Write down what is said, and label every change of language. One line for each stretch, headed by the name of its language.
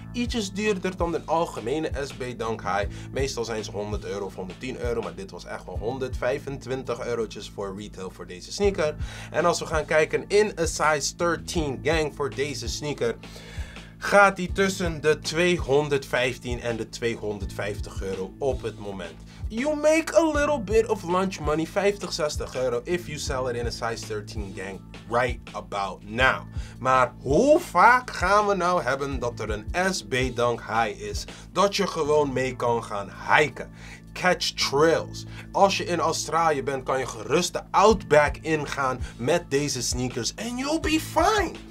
Dutch: Ietsjes duurder dan een algemene SB Dunk High. Meestal zijn ze €100 of €110, maar dit was echt wel €125 voor retail voor deze sneaker. En als we gaan kijken in a size 13 gang voor deze sneaker, gaat die tussen de €215 en de €250 op het moment.
English: You make a little bit of lunch money, €50-60, if you sell it in a size 13 gang right about now.
Dutch: Maar hoe vaak gaan we nou hebben dat er een SB Dunk High is, dat je gewoon mee kan gaan hiken? Catch trails. Als je in Australië bent, kan je gerust de Outback ingaan met deze sneakers
English: and you'll be fine.